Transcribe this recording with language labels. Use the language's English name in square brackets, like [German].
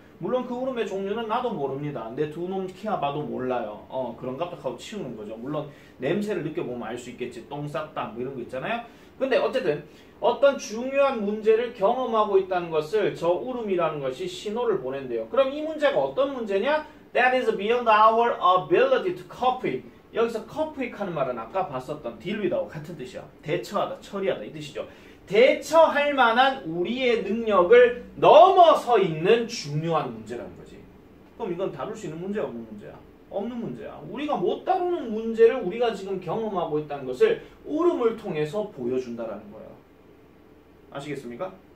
[Korean] 물론 그 울음의 종류는 나도 모릅니다. 내 두 놈 키워봐도 몰라요. 그런 갑작하고 치우는 거죠. 물론 냄새를 느껴보면 알 수 있겠지. 똥 쌌다 뭐 이런 거 있잖아요. 근데 어쨌든 어떤 중요한 문제를 경험하고 있다는 것을 저 울음이라는 것이 신호를 보낸대요. 그럼 이 문제가 어떤 문제냐? [English] That is beyond our ability to cope with. [Korean] 여기서 [English] cope with [Korean] 하는 말은 아까 봤었던 [English] deal with [Korean] 하고 같은 뜻이야. 대처하다, 처리하다 이 뜻이죠. 대처할 만한 우리의 능력을 넘어서 있는 중요한 문제라는 거지. 그럼 이건 다룰 수 있는 문제야, 없는 문제야? 없는 문제야. 우리가 못 다루는 문제를 우리가 지금 경험하고 있다는 것을 울음을 통해서 보여준다라는 거예요. 아시겠습니까?